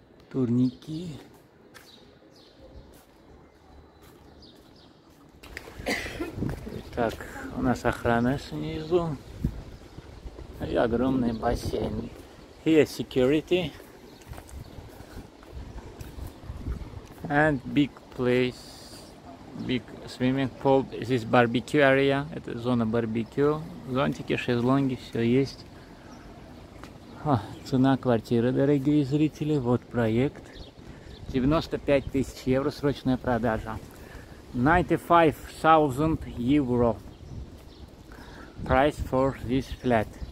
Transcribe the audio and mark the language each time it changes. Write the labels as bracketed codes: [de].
[ru] Турники. Так, у нас охрана снизу и огромный бассейн. [en] Here security and big place, big swimming pool. This barbecue area. [ru] Это зона барбекю. Зонтики, шезлонги, все есть. О, цена квартиры, дорогие зрители. Вот проект. 95 тысяч евро срочная продажа. [en] 95,000 евро. Price for this flat.